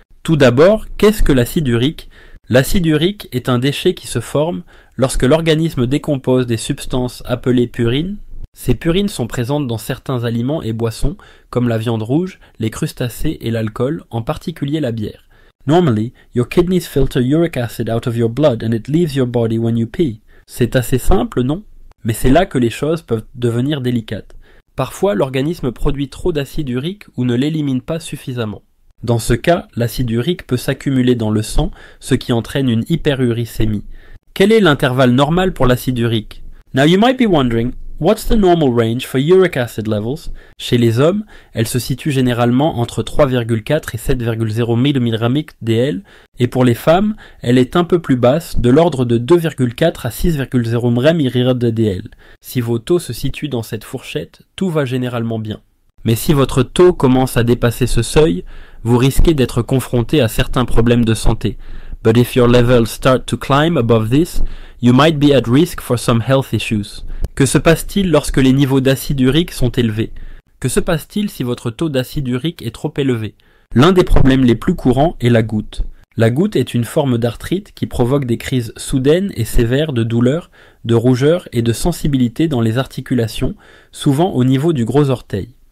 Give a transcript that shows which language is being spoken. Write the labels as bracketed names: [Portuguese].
[French] Tout d'abord, qu'est-ce que l'acide urique? L'acide urique est un déchet qui se forme lorsque l'organisme décompose des substances appelées purines. Ces purines sont présentes dans certains aliments et boissons, comme la viande rouge, les crustacés et l'alcool, en particulier la bière. [English] Normally, your kidneys filter uric acid out of your blood and it leaves your body when you pee. [French] C'est assez simple, non? Mais c'est là que les choses peuvent devenir délicates. Parfois, l'organisme produit trop d'acide urique ou ne l'élimine pas suffisamment. Dans ce cas, l'acide urique peut s'accumuler dans le sang, ce qui entraîne une hyperuricémie. Quel est l'intervalle normal pour l'acide urique? [English] Now you might be wondering, what's the normal range for uric acid levels? [French] Chez les hommes, elle se situe généralement entre 3,4 et 7,0 mg DL, et pour les femmes, elle est un peu plus basse, de l'ordre de 2,4 à 6,0 mg DL. Si vos taux se situent dans cette fourchette, tout va généralement bien. Mais si votre taux commence à dépasser ce seuil, vous risquez d'être confronté à certains problèmes de santé. [English] But if your levels start to climb above this, you might be at risk for some health issues. [French] Que se passe-t-il lorsque les niveaux d'acide urique sont élevés? Que se passe-t-il si votre taux d'acide urique est trop élevé? L'un des problèmes les plus courants est la goutte. La goutte est une forme d'arthrite qui provoque des crises soudaines et sévères de douleur, de rougeur et de sensibilité dans les articulations, souvent au niveau du gros orteil.